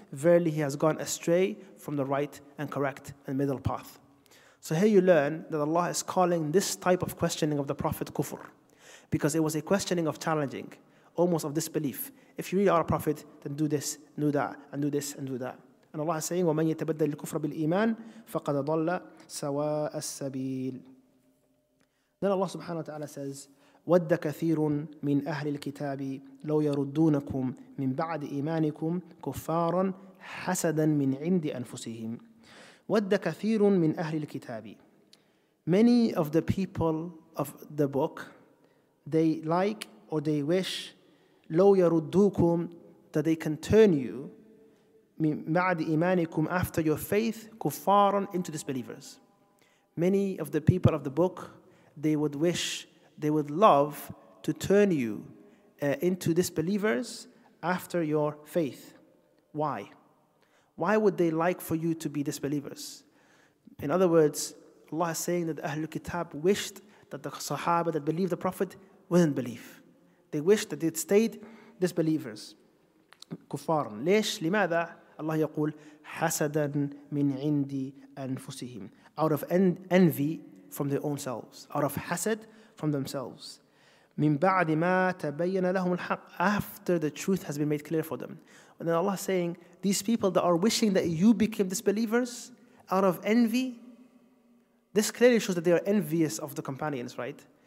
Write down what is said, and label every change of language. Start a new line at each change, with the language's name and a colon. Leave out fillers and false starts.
English: Verily, he has gone astray from the right and correct and middle path. So here you learn that Allah is calling this type of questioning of the Prophet kufr. Because it was a questioning of challenging, almost of disbelief. If you really are a prophet, then do this, do that, and do this, and do that. And Allah is saying,
Arabic: وَمَنْ يَتَبَدَّلِ الْكُفْرَ بِالْإِيمَانِ فَقَدْ ضَلَّ سَوَاءَ السَّبِيلِ.
English: Then Allah subhanahu wa ta'ala says,
Arabic: وَدَّ كَثِيرٌ مِّنْ أَهْلِ الْكِتَابِ لَوْ يَرُدُّونَكُمْ مِّنْ بَعْدِ إِيمَانِكُمْ كُفَّارًا حَسَدًا مِّنْ عِنْدِ أَنفُسِهِمْ. وَدَّ كَثِيرٌ مِّنْ أَهْلِ الْكِتَابِ.
English: Many of the people of the book, they like or they wish,
Arabic: لَوْ يَرُدُّوكُمْ,
English: that they can turn you,
Arabic: مِّنْ بَعْدِ إِيمَانِكُمْ,
English: after your faith,
Arabic: كُفَّارًا,
English: into disbelievers. Many of the people of the book, they would wish, they would love to turn you into disbelievers after your faith. Why? Why would they like for you to be disbelievers? In other words, Allah is saying that Ahlul Kitab wished that the Sahaba that believed the Prophet wouldn't believe. They wished that they'd stayed disbelievers.
Arabic: Kufar. ليش لماذا الله يقول حسدا من عندي أنفسهم.
English: Out of envy from their own selves. Out of hasad from themselves.
Arabic: مِن بَعْدِ مَا تَبَيَّنَ لَهُمُ الْحَقِّ.
English: After the truth has been made clear for them. And then Allah is saying, these people that are wishing that you became disbelievers out of envy, this clearly shows that they are envious of the companions, right?